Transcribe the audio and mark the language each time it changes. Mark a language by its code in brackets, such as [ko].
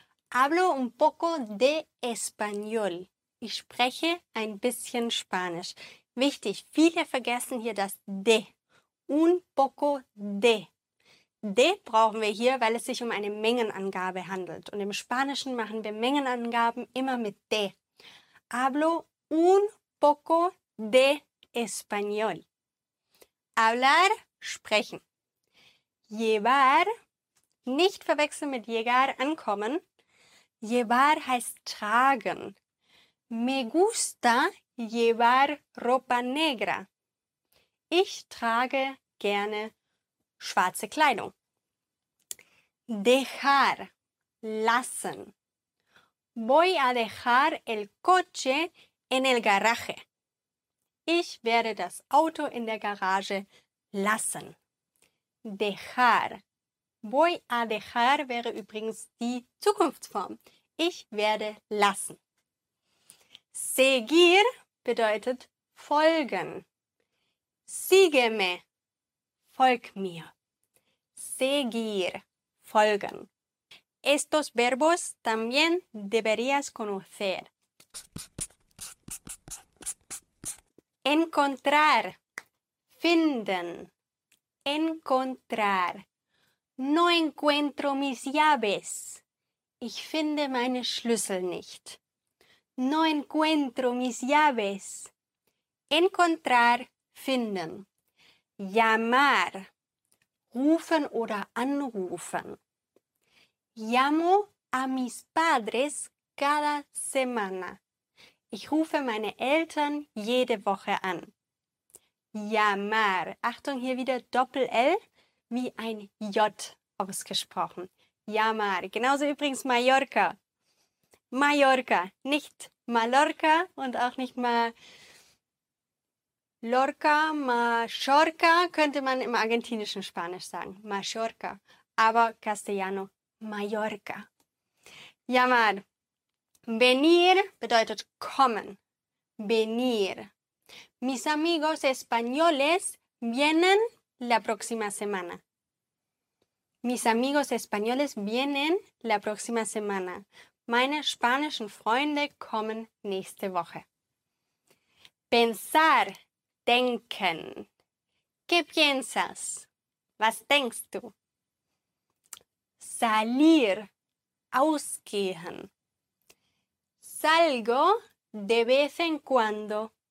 [es] Hablo un poco de español. [de] Ich spreche ein bisschen Spanisch. Wichtig, viele vergessen hier das de. [es] Un poco de. [de] De brauchen wir hier, weil es sich um eine Mengenangabe handelt. Und im Spanischen machen wir Mengenangaben immer mit de. [es] Hablo un poco de español. Hablar, sprechen. [de] Llevar, nicht verwechseln mit llegar, ankommen. Llevar heißt tragen. [es] Me gusta llevar ropa negra. [de] Ich trage gerne schwarze Kleidung. [es] Dejar, lassen. Voy a dejar el coche en el garaje. [de] Ich werde das Auto in der Garage lassen. Dejar. [es] Voy a dejar [de] wäre übrigens die Zukunftsform. Ich werde lassen. Seguir bedeutet folgen. Sígueme, folg mir. [es] Seguir, folgen. Estos verbos también deberías conocer. Encontrar, finden. Encontrar. No encuentro mis llaves. Ich finde meine Schlüssel nicht. No encuentro mis llaves. Encontrar, finden. [de] Llamar. Rufen oder anrufen. [es] Llamo a mis padres cada semana. [de] Ich rufe meine Eltern jede Woche an. Llamar. Achtung, hier wieder Doppel-L wie ein J ausgesprochen. Llamar. Genauso übrigens Mallorca. Mallorca. Nicht Mallorca und auch nicht mal Lorca, Mallorca könnte man im argentinischen Spanisch sagen. Mallorca. Aber Castellano, Mallorca. Llamar. Venir bedeutet kommen. Venir. [es] Mis amigos españoles vienen la próxima semana. Mis amigos españoles vienen la próxima semana. [de] Meine spanischen Freunde kommen nächste Woche. Pensar. Denken. [es] ¿Qué piensas? [de] Was denkst du? [es] Salir. Ausgehen. Salgo de vez en cuando.